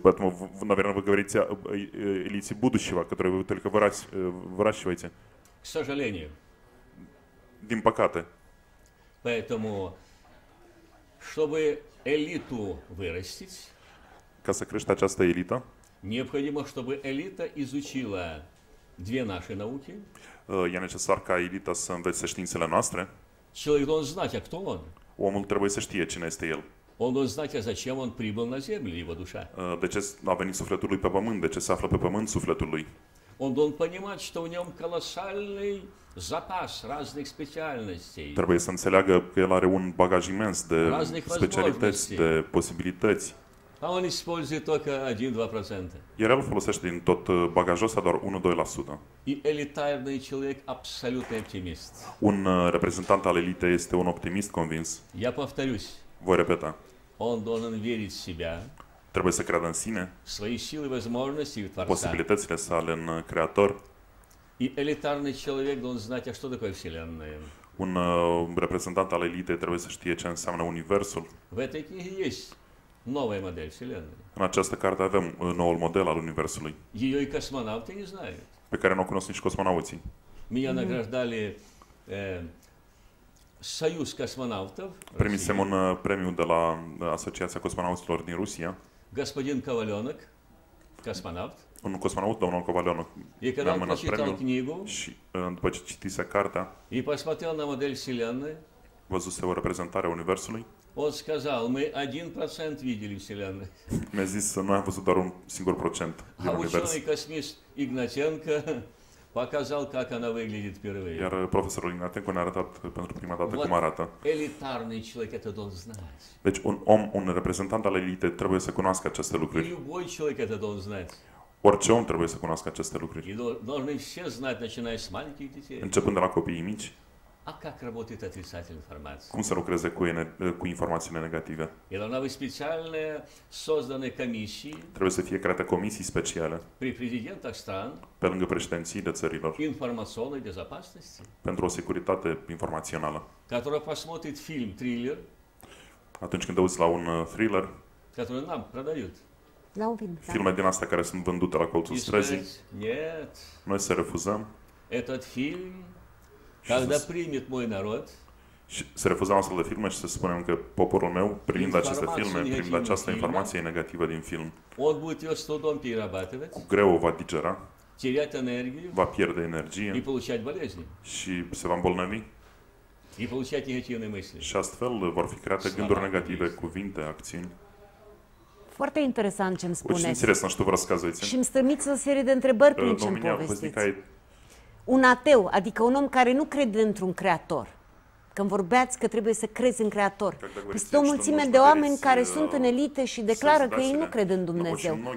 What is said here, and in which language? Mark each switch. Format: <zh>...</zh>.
<ru>Поэтому, наверное, вы говорите об элите будущего, которую вы только выращиваете. К сожалению. Дим покаты. Поэтому, чтобы элиту вырастить, ка сокрышта часто элита, необходимо, чтобы элита изучила две наши науки.</ru> <ro>Я necesar ca elita să învețe științele noastre.</ro> <ru>Человек должен знать, а кто он?</ru> <ro>Omul trebuie să știe cine este el.</ro> <ru>Он должен знать, а зачем он прибыл на землю, его душа.</ru> <ro>De ce a venit sufletul lui pe pământ? De ce se află pe pământ sufletul lui?</ro> <ru>Он должен понимать, что у него колоссальный запас разных специальностей.</ru> <ro>Trebuie să înțeleagă că el are un bagaj imens de specialități, de posibilități.</ro> <ru>А он использует только 1-2%.</ru> <ro>Iar el folosește din tot bagajul ăsta doar 1-2%.</ro> <ru>И элитарный человек абсолютный оптимист.</ru> <ro>Un reprezentant al elitei este un optimist convins.</ro> <ru>Я повторюсь.</ru> <ro>Voi repeta.</ro> <ru>Он должен верить в себя.</ru> <ro>Trebuie să creadă în sine.</ro> <ru>Свои силы, возможности и творца.</ru> <ro>Posibilitățile sale în creator.</ro> <ru>И элитарный человек должен знать, а что такое вселенная.</ru> <ro>Un reprezentant al elitei trebuie să știe ce înseamnă universul.</ro> <ru>В этой книге есть новая модель вселенной.</ru> <ro>În această carte avem noul model al universului.</ro> <ru>Ее и космонавты не знают.</ru> <ro>Pe care nu o cunosc nici cosmonauții.</ro> <ru>Меня награждали Союз космонавтов.</ru> <ro>Primisem un premiu de la Asociația Cosmonauților din Rusia.</ro> <ru>Господин Коваленок, космонавт.</ru> <ro>Un cosmonaut, domnul Коваленок.</ro> <ru>И когда он прочитал книгу,</ru> <ro>și, după ce citise cartea,</ro> <ru>и посмотрел на модель вселенной,</ru> <ro>văzuse o reprezentare a Universului,</ro> <ru>он сказал, мы 1% видели Вселенной.</ru> <ro>Mi-a zis, noi am văzut doar un singur procent din Univers.</ro> <ru>Ученый космист Игнатенко показал, как она выглядит впервые.</ru> <ro>Iar profesorul Игнатенко ne-a arătat pentru prima dată cum arată.</ro> <ru>Elitarный человек это должен знать.</ru> <ro>Deci un om, un reprezentant al elitei trebuie să cunoască aceste lucruri.</ro> <ru>Любой человек это должен знать.</ru> <ro>Orice om trebuie să cunoască aceste lucruri.</ro> <ru>Должны все знать, начиная с маленьких детей.</ru> <ro>Începând de la copiii mici.</ro> <ru>А как работает отрицательная информация?</ru> <ro>Cum se lucrează cu informațiile negative?</ro> <ru>И должна быть специально созданы комиссии.</ru> <ro>Trebuie să fie create comisii speciale.</ro> <ru>При президентах стран.</ru> <ro>Pe lângă președințiile țărilor.</ro> <ru>Информационной безопасности.</ru> <ro>Pentru o securitate informațională.</ro> <ru>Которая посмотрит фильм триллер.</ru> <ro>Atunci când auzi la un thriller.</ro> <ru>Который нам продают.</ru> <ro>La un film. Filme din astea care sunt vândute la colțul străzii.</ro> <ru>Нет.</ru> <ro>Noi să refuzăm.</ro> <ru>Этот фильм. Когда примет мой народ?</ru> <ro>Se refuzăm astfel de filme și să spunem că poporul meu, primind aceste filme, primind această informație negativă din film,</ro> <ru>он будет ее с трудом перерабатывать,</ru> <ro>cu greu o va digera,</ro> <ru>терять энергию,</ru> <ro>va pierde energie,</ro> <ru>и получать болезни,</ru> <ro>și se va îmbolnăvi,</ro> <ru>и получать негативные мысли,</ru> <ro>și astfel vor fi create gânduri negative, cuvinte, acțiuni. Foarte interesant ce îmi spuneți. Și interesant ce vă răscazăți. Și îmi strămiți o serie de întrebări prin ce îmi povestiți. Un ateu, adică un om care nu crede într-un creator. Când vorbeați că trebuie să crezi în creator. Este o mulțime de oameni care sunt în elite și declară că ei nu cred în Dumnezeu.</ro>